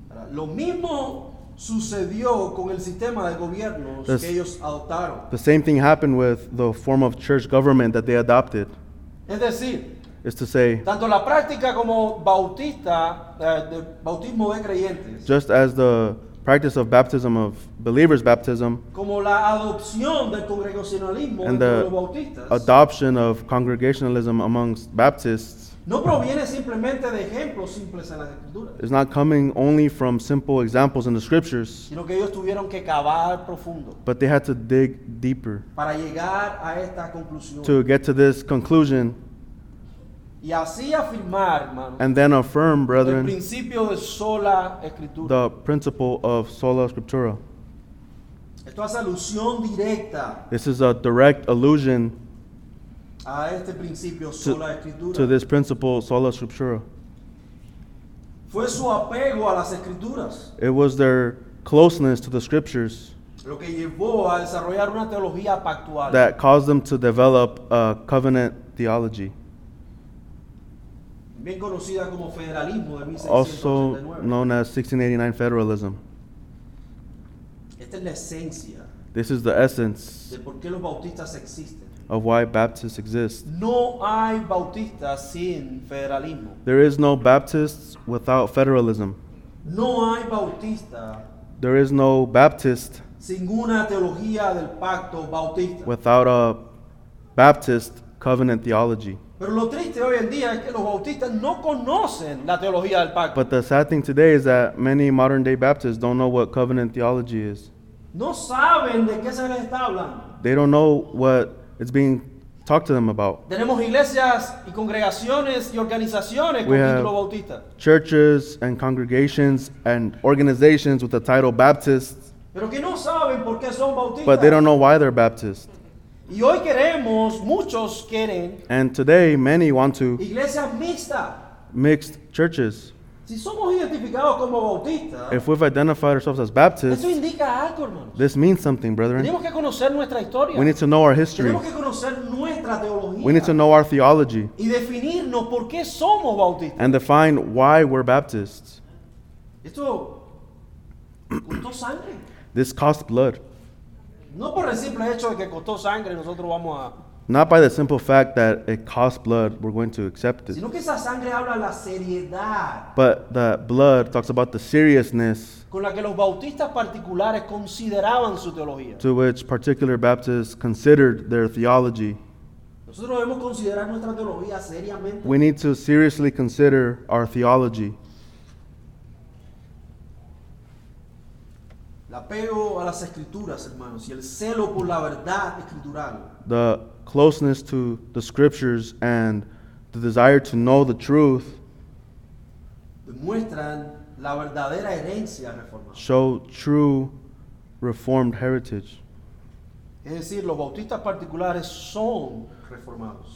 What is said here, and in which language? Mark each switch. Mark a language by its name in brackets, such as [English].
[Spanish] Lo mismo sucedió con el sistema de gobiernos que ellos adoptaron. [English] The same thing happened with the form of church government that they adopted. [Spanish] Es decir, [English] is to say, [Spanish] tanto la práctica como bautista, de bautismo de creyentes, [English] just as the practice of baptism of believers' baptism, [Spanish] como la adopción del congregacionalismo [English] and the adoption of congregationalism amongst Baptists, [Spanish] No proviene simplemente de ejemplos simples en las escrituras. [English] It's not coming only from simple examples in the scriptures. [Spanish] Sino que ellos tuvieron que cavar profundo. [English] But they had to dig deeper. [Spanish] Para llegar a esta conclusión. [English] To get to this conclusion. [Spanish] Y así afirmar, hermano. [English] And then affirm, brethren. [Spanish] El principio de sola escritura. [English] The principle of sola scriptura. [Spanish] Esto hace alusión directa. [English] This is a direct allusion. [Spanish] A este principio, sola escritura. [English] To this principle, sola scriptura. [Spanish] Fue su apego a las escrituras. [English] It was their closeness to the scriptures. [Spanish] Lo que llevó a desarrollar una teología pactual. [English] That caused them to develop a covenant theology. [Spanish] Bien conocida como federalismo de 1689. [English] Also known as 1689 federalism. [Spanish] Esta es la esencia. [English] This is the essence. [Spanish] De por qué los bautistas existen. [English] Of why Baptists exist. [Spanish] No hay bautista sin federalismo. [English] There is no Baptists without federalism. [Spanish] No hay bautista. [English] There is no Baptist. [Spanish] Sin una teología del pacto bautista. [English] Without a Baptist covenant theology. [Spanish] Pero lo triste hoy en día es que los bautistas no conocen la teología del pacto. [English] But the sad thing today is that many modern day Baptists don't know what covenant theology is. [Spanish] No saben de qué se les está hablando. [English] They don't know what it's being talked to them about. [Spanish] Tenemos iglesias y congregaciones y organizaciones con título bautista. [English] Churches and congregations and organizations with the title Baptist. [Spanish] Pero que no saben por qué son bautistas. [English] But they don't know why they're Baptist. [Spanish] Y hoy queremos, muchos quieren. [English] And today many want to. [Spanish] Iglesias mixtas. [English] Mixed churches. [Spanish] Si somos identificados como bautistas. [English] If we've identified ourselves as Baptists. [Spanish] Eso indica algo, hermanos. [English] This means something, brethren. [Spanish] Tenemos que conocer nuestra historia. [English] We need to know our history. [Spanish] Tenemos que conocer nuestra teología. [English] We need to know our theology. [Spanish] Y definirnos por qué somos bautistas. [English] And define why we're Baptists. [Spanish] Esto costó sangre. [English] This cost blood. [Spanish] No por el simple hecho de que costó sangre, nosotros vamos a. [English] Not by the simple fact that it costs blood, we're going to accept it. [Spanish] Sino que esa sangre habla la seriedad. [English] But the blood talks about the seriousness. [Spanish] Con la que los bautistas particulares consideraban su teología. [English] To which particular Baptists considered their theology. [Spanish] Nosotros debemos considerar nuestra teología seriamente. [English] We need to seriously consider our theology. [Spanish] El apego a las escrituras, hermanos, y el celo por la verdad escritural. [English] The closeness to the scriptures and the desire to know the truth [Spanish] demuestran la verdadera herencia reformada. [English] Show true reformed heritage. [Spanish] Es decir, los bautistas particulares son reformados.